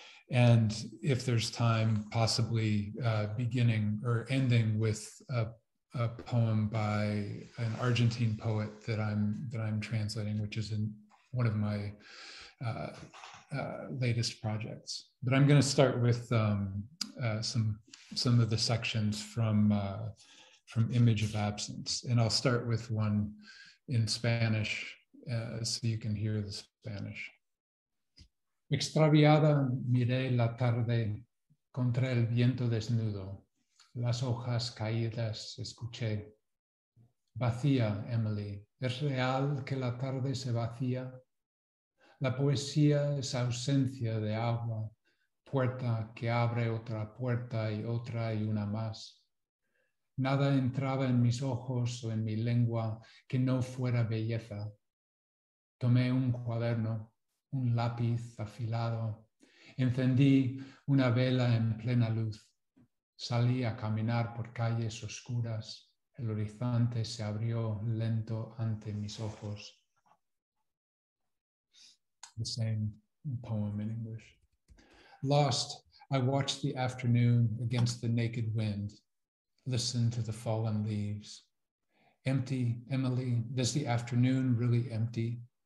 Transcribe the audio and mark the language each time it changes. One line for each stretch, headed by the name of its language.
English: And if there's time, possibly beginning or ending with a poem by an Argentine poet that I'm translating, which is in one of my latest projects. But I'm going to start with some of the sections from Image of Absence, and I'll start with one in Spanish so you can hear the Spanish.
Spanish: Extraviada miré la tarde contra el viento desnudo. las hojas caídas escuché. Vacía, Emily, ¿es real que la tarde se vacía? La poesía es ausencia de agua, puerta que abre otra puerta y otra y una más. Nada entraba en mis ojos o en mi lengua que no fuera belleza. Tomé un cuaderno, un lápiz afilado. Encendí una vela en plena luz. Salí a caminar por calles oscuras. El horizonte se abrió lento ante mis ojos.
English: The same poem in English. Lost, I watched the afternoon against the naked wind. Listen to the fallen leaves. Empty, Emily, does the afternoon really empty?